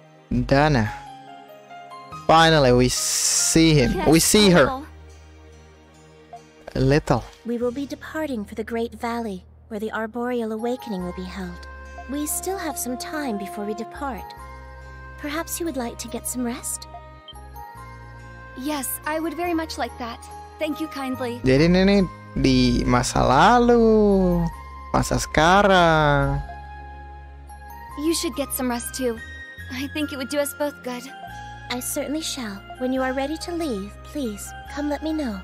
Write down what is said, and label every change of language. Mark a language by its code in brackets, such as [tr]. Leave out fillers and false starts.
[en] Dana. Finally, we see him. Yes, we see her. little. We will be departing for the Great Valley, where the Arboreal Awakening will be held. We still have some time before we depart. Perhaps you would like to get some rest? Yes, I would very much like that. Thank you kindly. [id] Jadi ini di masa lalu, masa sekarang. [en] You should get some rest too. I think it would do us both good. I certainly shall. When you are ready to leave, please come let me know.